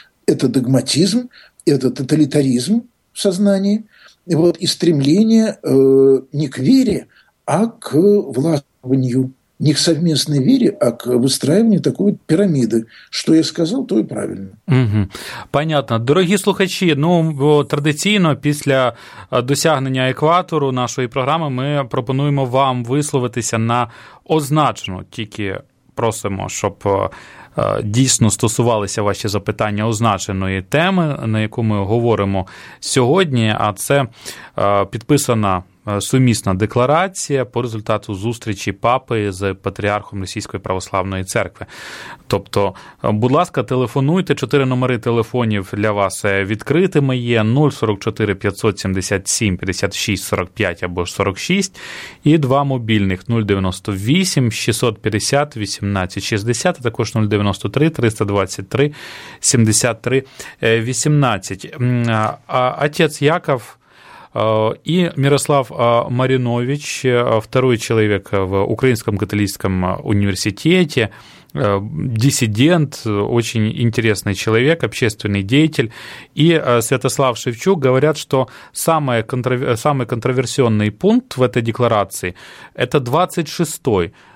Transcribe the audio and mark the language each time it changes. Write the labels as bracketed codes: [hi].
[ru] Это догматизм, это тоталитаризм в сознании, вот, и стремление не к вере, а к властвованию, не к совместной вере, а к выстраиванию такой вот пирамиды. Что я сказал, то и правильно. Угу. Понятно. [uk] Дорогі слухачі, ну, традиційно після досягнення екватору нашої програми ми пропонуємо вам висловитися на означену, тільки просимо, щоб дійсно стосувалися ваші запитання означеної теми, на яку ми говоримо сьогодні, а це підписана сумісна декларація по результату зустрічі папи з патріархом Російської православної церкви. Тобто, будь ласка, телефонуйте, чотири номери телефонів для вас відкритими є: 044-577-56-45 або 46, і два мобільних: 098-650-18-60, а також 093-323-73-18. [ru] Отець Яков і Мирослав Маринович, второй [uk] чоловік в Українському католицькому університеті, [ru] диссидент, очень интересный человек, общественный деятель, и Святослав Шевчук говорят, что самый контроверсионный пункт в этой декларации – это 26-й.